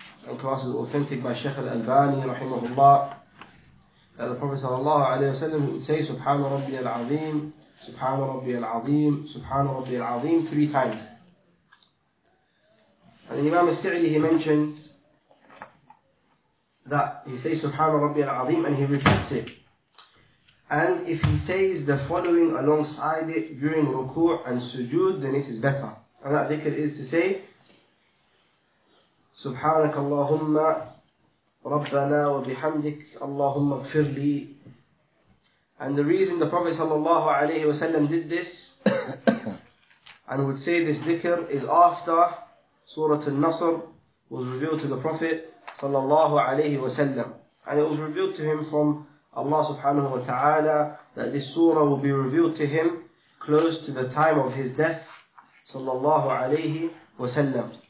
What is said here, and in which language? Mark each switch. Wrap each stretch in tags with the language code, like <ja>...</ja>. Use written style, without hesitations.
<en>And class is authentic by Sheikh al-Albani rahimahullah. That the Prophet sallallahu alayhi wa sallam say Subhana Rabbi al-Azim, Subhana Rabbi al-Azim, Subhana Rabbi al-Azim three times. And Imam al-Si'li, he mentions that he says Subhana Rabbi al-Azim and he repeats it. And if he says the following alongside it during ruku' and sujood, then it is better.</en> <ar>And that dhikr is to say سبحانك اللهم ربنا وبحمدك اللهم اغفر لي.</ar> <en>And the reason the Prophet صلى الله عليه وسلم did this and would say this dhikr is after Surah Al-Nasr was revealed to the Prophet صلى الله عليه وسلم. And it was revealed to him from Allah سبحانه وتعالى that this surah will be revealed to him close to the time of his death صلى الله عليه وسلم.</en>